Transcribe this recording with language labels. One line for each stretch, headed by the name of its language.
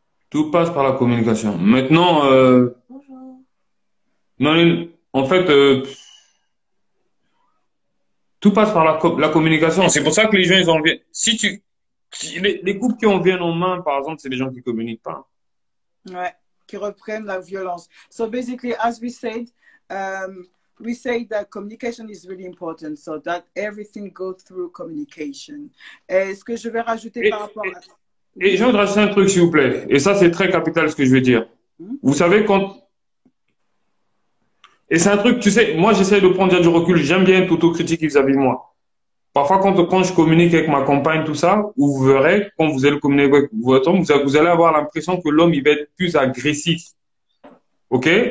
French: Tout passe par la communication. Maintenant, bonjour. Non, en fait, tout passe par la communication. C'est pour ça que les gens, ils en viennent. Si tu, les couples qui en viennent en main, par exemple, c'est les gens qui communiquent pas. Ouais, qui reprennent la violence.
English: So basically, as we say that communication is really important, so that everything goes through communication.
French: Est-ce que je vais rajouter par rapport à Et je voudrais rajouter un truc, s'il vous plaît. Et ça, c'est très capital, ce que je veux dire. Vous savez, quand... Et c'est un truc, tu sais, moi, j'essaie de prendre déjà du recul. J'aime bien être autocritique vis-à-vis de moi. Parfois, quand je communique avec ma compagne, tout ça, vous verrez, quand vous allez communiquer avec votre homme, vous allez avoir l'impression que l'homme, il va être plus agressif. OK?